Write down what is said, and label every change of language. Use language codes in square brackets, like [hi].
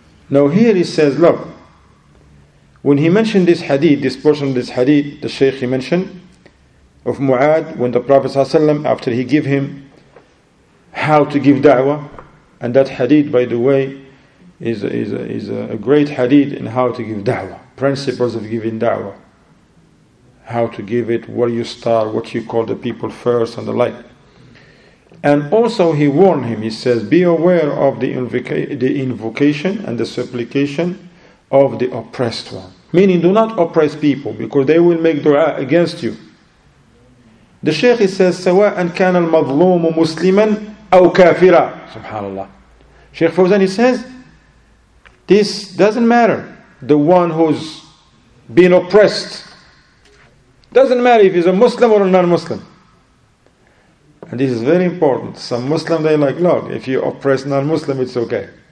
[en] Now here he says, look, when he mentioned this hadith, this portion of this hadith, the Shaykh he mentioned, of Mu'ad, when the Prophet ﷺ, after he gave him how to give da'wah, and that hadith, by the way, is a great hadith in how to give da'wah, principles of giving da'wah, how to give it, where you start, what you call the people first, and the like. And also he warned him, he says, be aware of the invocation and the supplication of the oppressed one. Meaning, do not oppress people, because they will make dua against you. The Shaykh, he says, [ar] سَوَاءً كَانَ الْمَظْلُومُ مُسْلِمًا أَوْ كَافِرًا. Subhanallah. [en] Shaykh Fawzan, he says, this doesn't matter. The one who's been oppressed, doesn't matter if he's a Muslim or a non-Muslim. And this is very important. Some Muslims, they like, look, if you oppress non-Muslim, it's okay.